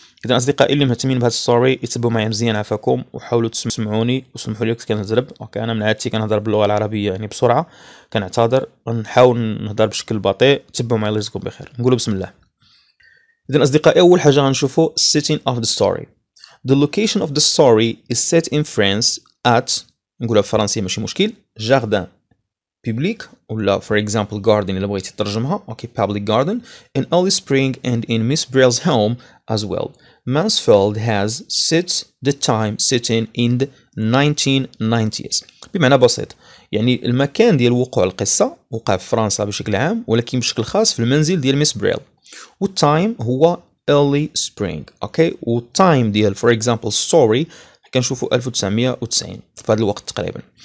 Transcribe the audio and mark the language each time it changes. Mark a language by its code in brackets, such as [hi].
[ar] اذا اصدقائي اللي مهتمين بهذا الستوري يتبعوا معايا مزيان عفاكم، وحاولوا تسمعوني وسمحوا لي كنت كنهضرب، اوكي انا من عادتي كنهضر باللغه العربيه يعني بسرعه، كنعتذر، نحاول نهضر بشكل بطيء، تبعوا معايا الله يجزيكم بخير. نقولوا بسم الله. اذا اصدقائي اول حاجه غنشوفوا السيتين اوف ذا ستوري. [en] The location of the story is set in France at, [ar] نقولها بالفرنسية ماشي مشكل, [en] jardin public, ولا for example garden [ar] إلا بغيتي ترجمها, [en] okay, public garden, in early spring and in Miss Brill's home as well. Mansfield has set the time sitting in the 1990s. [ar] بمعنى بسيط, يعني المكان ديال وقوع القصة وقع في فرنسا بشكل عام, ولكن بشكل خاص في المنزل ديال Miss Brill. والtime هو [en] early spring, [ar] okay, والtime ديال [en] for example story [ar] كنشوفو 1990 في هذا الوقت تقريبا.